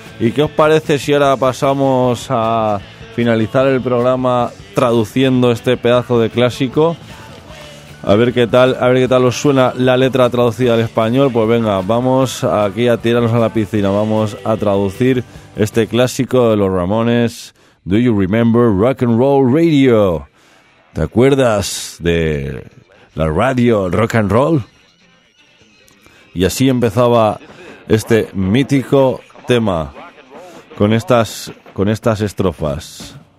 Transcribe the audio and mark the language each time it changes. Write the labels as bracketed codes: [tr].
[es] ¿Y qué os parece si ahora pasamos a finalizar el programa traduciendo este pedazo de clásico? A ver qué tal os suena la letra traducida al español. Pues venga, vamos aquí a tirarnos a la piscina. Vamos a traducir este clásico de los Ramones. [en] Do you remember rock and roll radio? [es] ¿Te acuerdas de la radio rock and roll? Y así empezaba este mítico tema con estas estrofas.